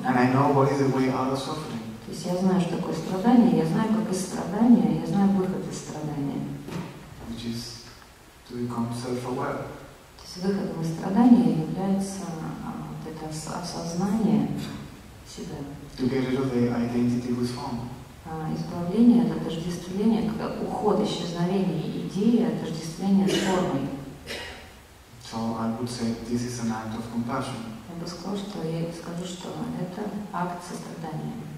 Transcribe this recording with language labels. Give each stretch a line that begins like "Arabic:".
Russian: То есть я знаю, что такое страдание, я знаю, как из страдания, я знаю выход из страдания.
English: To become self-aware.
Russian: Выходом из страдания является вот это осознание себя.
English: To get rid of the identity with form.
Russian: Избавление от отождествления, когда уход, исчезновение идеи, отождествление с формой.
English: So I would say this is an act of compassion.
Russian: Я бы сказал, что это акт сострадания.